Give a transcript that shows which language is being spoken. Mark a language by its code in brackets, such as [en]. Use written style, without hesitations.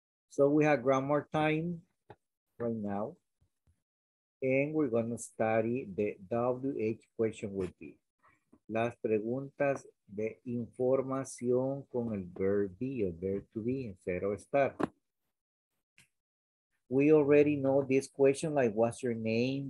[en] So we have grammar time right now, and we're gonna study the WH question would be. [es] Las preguntas de información con el verb be, el verb to be, ser o estar. [en] We already know this question, like what's your name?